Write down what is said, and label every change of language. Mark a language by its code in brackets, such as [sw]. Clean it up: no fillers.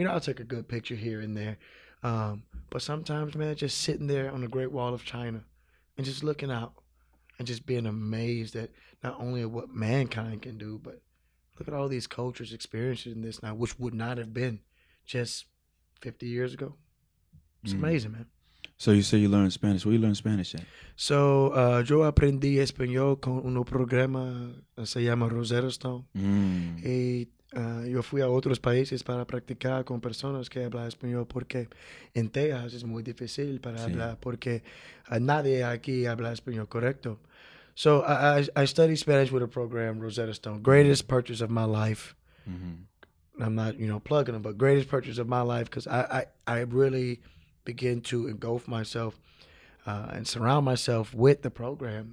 [en] You know, I'll take a good picture here and there, but sometimes, man, just sitting there on the Great Wall of China and just looking out and just being amazed at not only what mankind can do, but look at all these cultures experiencing this now, which would not have been just 50 years ago. It's amazing, man. So you say you learned Spanish. Where you learn Spanish at? [es] So yo aprendí español con un programa que se llama Rosetta Stone. Mm. Y yo fui a otros países para practicar con personas que hablan español porque en Texas es muy difícil para sí. hablar porque nadie aquí habla español correcto. [en] So I studied Spanish with a program, Rosetta Stone. Greatest purchase of my life. Mm-hmm. I'm not, you know, plugging them, but greatest purchase of my life because I really begin to engulf myself and surround myself with the program.